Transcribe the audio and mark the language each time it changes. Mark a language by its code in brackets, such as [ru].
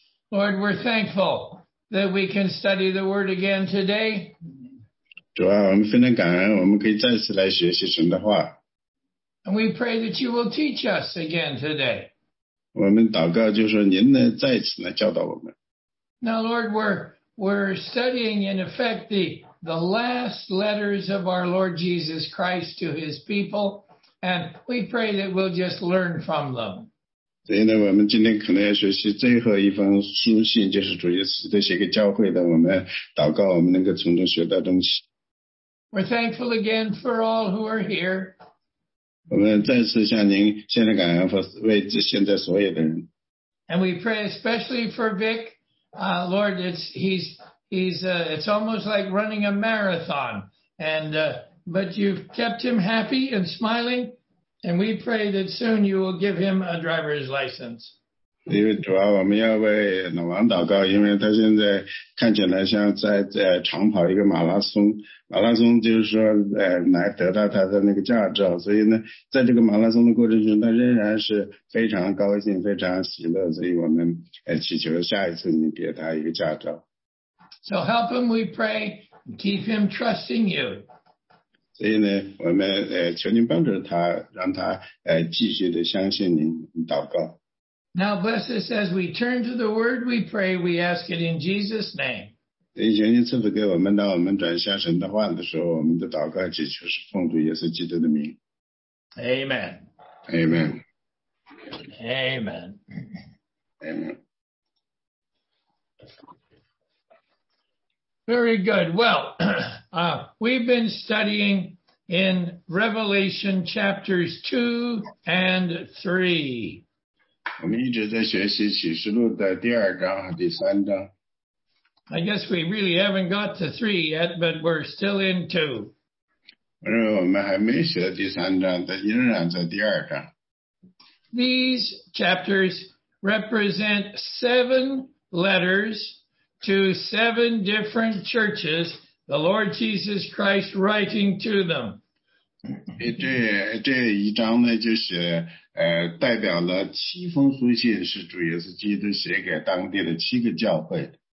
[en] Lord, we're thankful that we can study the word again today. [zh] 主啊，我们非常感恩，我们可以再次来学习神的话。 [en] And we pray that you will teach us again today. [zh] 我们祷告就是您呢再次呢教导我们。 [en] Now, Lord, we're studying in effect the last letters of our Lord Jesus Christ to his people, and we pray that we'll just learn from them. [zh] 所以呢，我们今天可能要学习最后一封书信，就是主耶稣的写给教会的。我们祷告，我们能够从中学到东西。 [en] We're thankful again for all who are here. [zh] 我们再次向您献上感恩，为现在所有的人。 [en] And we pray especially for Vic. Lord, it's almost like running a marathon, but you've kept him happy and smiling, and we pray that soon you will give him a driver's license. [zh] 因为主要我们要为老王祷告，因为他现在看起来像在长跑一个马拉松就是说来得到他的那个驾照，所以呢，在这个马拉松的过程中，他仍然是非常高兴，非常喜乐，所以我们祈求下一次你给他一个驾照。 [en] So help him, we pray, keep him trusting you. [zh] 所以呢，我们求您帮助他，让他继续的相信您，祷告。 [en] Now bless us as we turn to the word, we pray, we ask it in Jesus' name. [zh] 所以求您赐福给我们，当我们转向神的话的时候，我们的祷告祈求是奉主耶稣基督的名。 [en] Amen. Amen. Amen. Amen. Very good. Well, we've been studying in Revelation chapters 2 and 3. [zh] 我们一直在学习启示录的第二章和第三章。 [en] I guess we really haven't got to 3 yet, but we're still in 2. [zh] 我认为我们还没学第三章，但仍然在第二章。 [en] These chapters represent 7 letters to 7 different churches, the Lord Jesus Christ writing to them. [zh] 这一章呢，就是代表了七封书信，是主耶稣基督写给当地的七个教会。